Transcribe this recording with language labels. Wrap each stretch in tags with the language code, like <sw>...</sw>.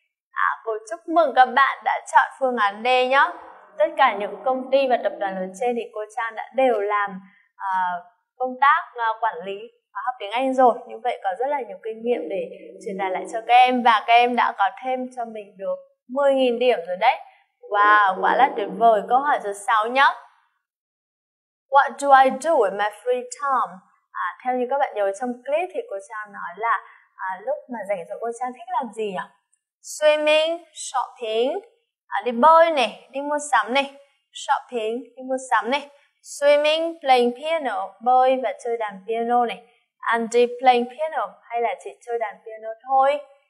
<vi>À, cô chúc mừng các bạn đã chọn phương án D nhé. Tất cả những công ty và tập đoàn lớn trên thì cô Trang đã đều làm công tác quản lý khóa học tiếng Anh rồi. Như vậy có rất là nhiều kinh nghiệm để truyền đạt lại cho các em. Và các em đã có thêm cho mình được 10.000 điểm rồi đấy. Wow, quá là tuyệt vời. Câu hỏi số 6 nhé.</vi> <en>What do I do in my free time?</en> <vi>À, theo như các bạn nhớ trong clip thì cô Trang nói là lúc mà rảnh rồi cô Trang thích làm gì nhỉ? Swimming, shopping, đi bơi này, đi mua sắm này, shopping, đi mua sắm này, swimming, playing piano, bơi và chơi đàn piano này, and đi playing piano hay là chỉ chơi đàn piano thôi.</vi>